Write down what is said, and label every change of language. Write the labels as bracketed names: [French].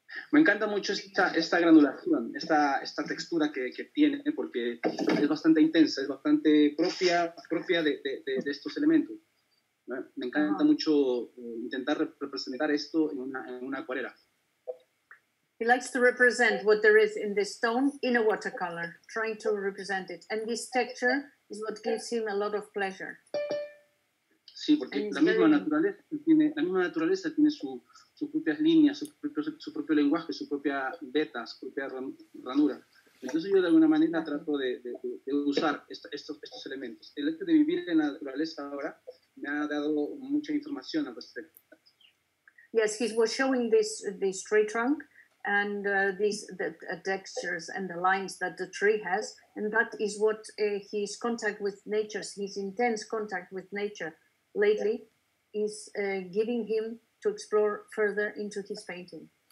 [Spanish] Me encanta mucho esta granulación, esta textura que tiene, porque es bastante intensa, es bastante propia de estos elementos. Me encanta mucho intentar representar esto en una acuarela. [English] He likes to represent what there is in this stone in a watercolor, trying to represent it. And this texture is what gives him a lot of pleasure. [Spanish] Sí, porque la misma naturaleza tiene sus propias líneas, su propio lenguaje, su propia beta, su propia ranura. Entonces yo de alguna manera trato de usar estos elementos. El hecho de vivir en la naturaleza ahora me ha dado mucha información al respecto. [English] Yes, he was showing this tree trunk and these textures and the lines that the tree has, and that is what his contact with nature, his intense contact with nature lately, is giving him to explore further into his painting.